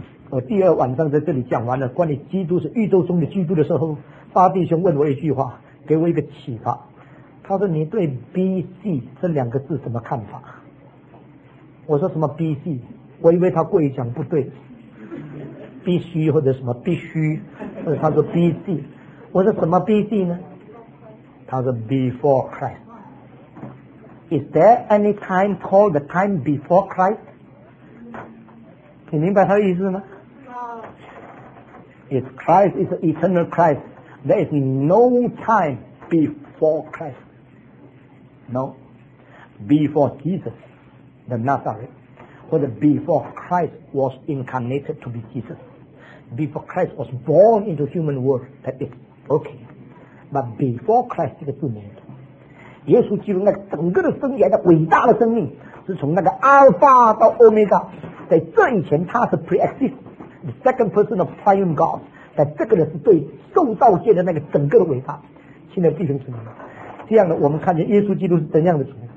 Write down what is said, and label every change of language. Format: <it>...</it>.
<zh>我第二晚上在这里讲完了关于基督是宇宙中的基督的时候，八弟兄问我一句话，给我一个启发，他说你对 BC 这两个字什么看法？我说什么 BC？我以为他故意讲不对，必须或者什么必须，他说 BC， 我说什么 BC 呢？他说</zh> <en>Before Christ。 Is there any time called the time before Christ？</en> <zh>你明白他的意思吗？</zh> <en>If Christ is eternal Christ, there is no time before Christ. No. Before Jesus, the Nazareth. Or the before Christ was incarnated to be Jesus. Before Christ was born into human world, that is okay. But before Christ,</en> <zh>这个字没有。耶稣基督那整个的生涯的伟大的生命是从那个阿尔法到欧米伽，在这以前他是</zh> <en>pre-exist the second person of triune God，</en> <zh>在这个人是对受造界的那个整个的伟大。亲爱的弟兄姊妹，这样的我们看见耶稣基督是怎样的主？</zh>